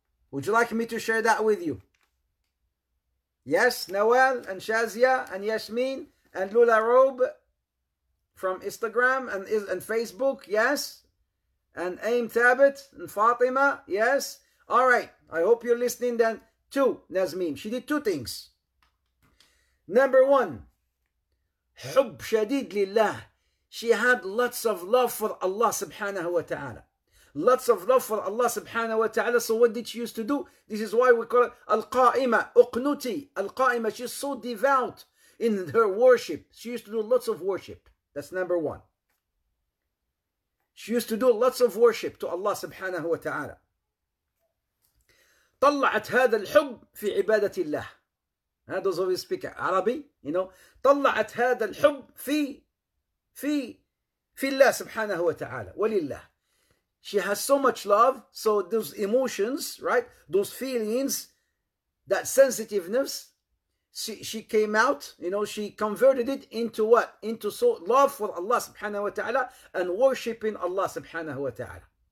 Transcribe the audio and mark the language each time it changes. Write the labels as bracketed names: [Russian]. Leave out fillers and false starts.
[English] Would you like me to share that with you? Yes, Nawal and Shazia and Yasmin and Lula Robe from Instagram and Facebook, yes. And Aim Thabit and Fatima, yes. All right, I hope you're listening then. Two, Nazmeen. She did two things. Number one, [Arabic] حب شديد لله. [English] She had lots of love for Allah subhanahu wa ta'ala. Lots of love for Allah subhanahu wa ta'ala. So what did she used to do? This is why we call it Al-Qa'ima, Uqnuti, Al-Qa'ima. She's so devout in her worship. She used to do lots of worship. That's number one. She used to do lots of worship to Allah subhanahu wa ta'ala. [Arabic] طلعت هذا الحب في عبادة الله. [English] Those of you speak Arabic, you know. [Arabic] طلعت هذا الحب في الله سبحانه وتعالى ولله. [English] She has so much love, so those emotions, right? Those feelings, that sensitiveness, she came out, you know, she converted it into what? Into so love for Allah سبحانه وتعالى and worshiping Allah سبحانه وتعالى.